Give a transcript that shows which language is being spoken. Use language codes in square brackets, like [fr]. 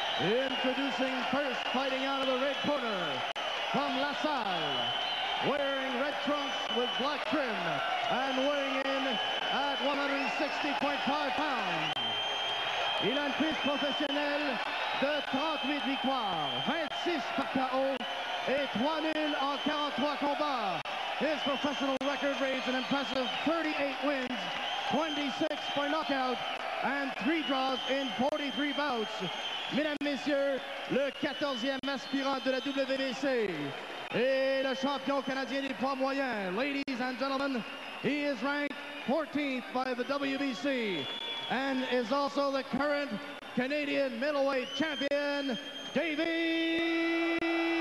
[en] Introducing first, fighting out of the red corner, from La Salle, wearing red trunks with black trim, and weighing in at 160.5 pounds. [fr] Il a une prise professionnelle de 38 victoires, 26 par KO, et 3 nuls en 43 combats. [en] His professional record reads an impressive 38 wins, 26 by knockout, and 3 draws in 43 bouts. [fr] Mesdames, Messieurs, le 14e aspirant de la WBC et le champion canadien du poids moyen. [en] Ladies and gentlemen, he is ranked 14th by the WBC and is also the current Canadian middleweight champion, Davey.